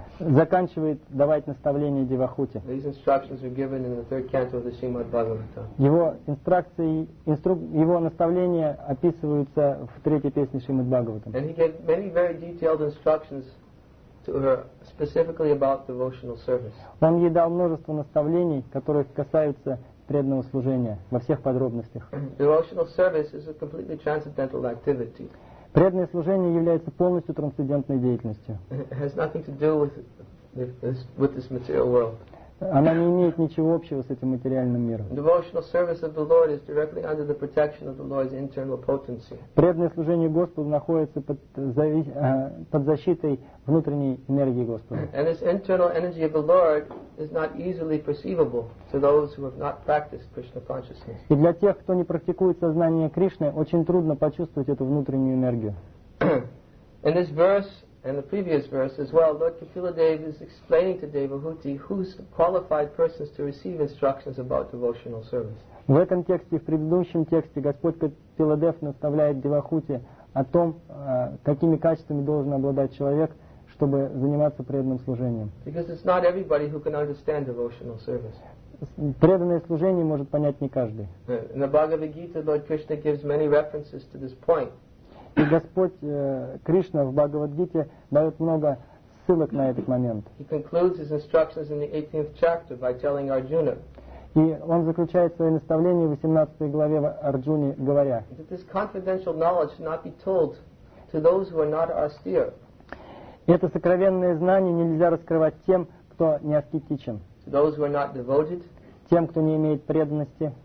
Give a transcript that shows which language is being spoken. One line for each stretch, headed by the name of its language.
Russian: Заканчивает давать наставление Девахуте.
English: These instructions were given in the third canto of the Srimad Bhagavatam.
Russian: Его инструкции, его наставления описываются в третьей песне Шримад Бхагаватам.
English: And he gave many very detailed instructions to her specifically about devotional service.
Russian: Он ей дал множество наставлений, которые касаются преданного служения во всех подробностях.
English: Devotional service is a completely transcendental activity.
Russian: Преданное служение является полностью трансцендентной деятельностью.
English: It has nothing to do with this material world.
Russian: Она не имеет ничего общего с этим материальным миром.
English: Devotional service of the Lord is directly under the protection of the Lord's internal potency.
Russian: Преданное служение Господу находится под защитой внутренней энергии Господа.
English: And this internal energy of the Lord is not easily perceivable to those who have not practiced Krishna consciousness.
Russian: И для тех, кто не практикует сознание Кришны, очень трудно почувствовать эту внутреннюю энергию.
English: In this verse and the previous verse as well, Lord Kapila Dev is explaining to Devahuti who's qualified persons to receive instructions about devotional service.
Russian: В этом тексте, в предыдущем тексте, Господь Капила Дев наставляет Девахути о том, какими качествами должен обладать человек, чтобы заниматься преданным служением.
English: Because it's not everybody who can understand devotional service.
Russian: Преданное служение может понять не каждый.
English: In the Bhagavad Gita, Lord Krishna gives many references to this point.
Russian: И Господь Кришна в Бхагавад-гите дает много ссылок на этот момент.
English: He concludes his instructions in the 18th chapter by telling Arjuna.
Russian: И он заключает свои наставления в 18 главе Арджуне, говоря.
English: That this confidential knowledge should not be told to those who are not austere.
Russian: Это сокровенное знание нельзя раскрывать тем, кто не аскетичен.
English: To those who are not devoted.
Russian: Тем, кто не имеет преданности.